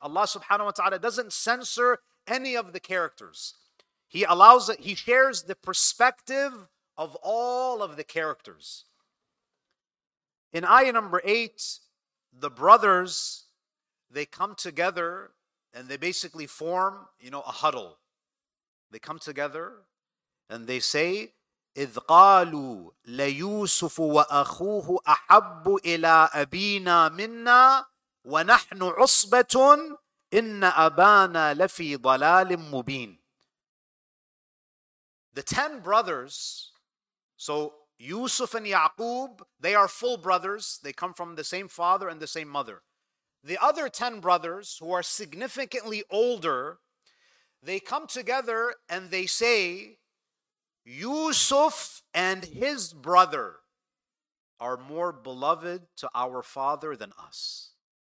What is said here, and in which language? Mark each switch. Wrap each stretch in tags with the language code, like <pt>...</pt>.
<en>Allah subhanahu wa ta'ala doesn't censor any of the characters. He shares the perspective of all of the characters. In ayah number 8, the brothers, they come together. And they basically form, you know, a huddle. They come together and they say,</en> <ar>إِذْ قَالُوا لَيُوسُفُ وَأَخُوهُ أَحَبُّ إِلَىٰ أَبِينَا مِنَّا وَنَحْنُ عُصْبَةٌ إِنَّ أَبَانَا لَفِي ضَلَالٍ مُبِينٍ.</ar> <en>The 10 brothers, so Yusuf and Ya'qub, they are full brothers. They come from the same father and the same mother. The other 10 brothers, who are significantly older, they come together and they say, Yusuf and his brother are more beloved to our father than us.</en>